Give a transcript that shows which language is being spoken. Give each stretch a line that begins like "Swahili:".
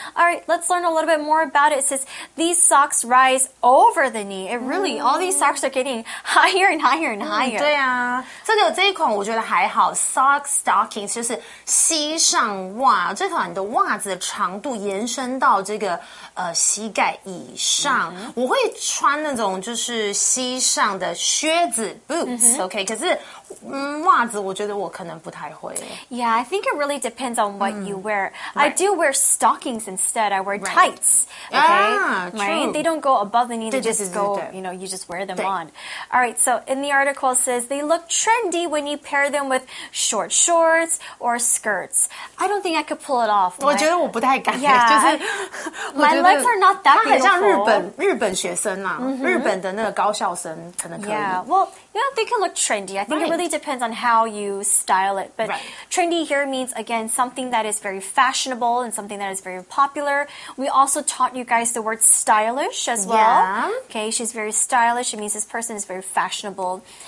English: Alright, let's learn a little bit more about it. It says, these socks rise over the knee. It really, all these socks are getting higher and higher and higher.
Chinese: 对啊。这个这一款我觉得还好。 Sock stockings 就是膝上袜。这款的袜子的长度延伸到这个膝盖以上。 Mm-hmm. 我会穿那种就是膝上的靴子 boots,、mm-hmm. okay? 可是袜子我觉得我可能不太会。
English: Yeah, I think it really depends on what you wear. I do wear stockings instead. I wear tights. Okay? Yeah, right? They don't go above the knee. They just go, you know, you just wear them on. All right, so in the article it says, they look trendy when you pair them with short shorts or skirts. I don't think I could pull it off.
Chinese: 我觉得我不太敢。 Yeah. 就是
English: my legs are not that beautiful.
Chinese: 它很像日本学生啦。日本的那个高校生可能可以。
English: Yeah, well,Yeah, they can look trendy. I think it really depends on how you style it. But trendy here means, again, something that is very fashionable and something that is very popular. We also taught you guys the word stylish as well. Yeah. Okay, she's very stylish. It means this person is very fashionable.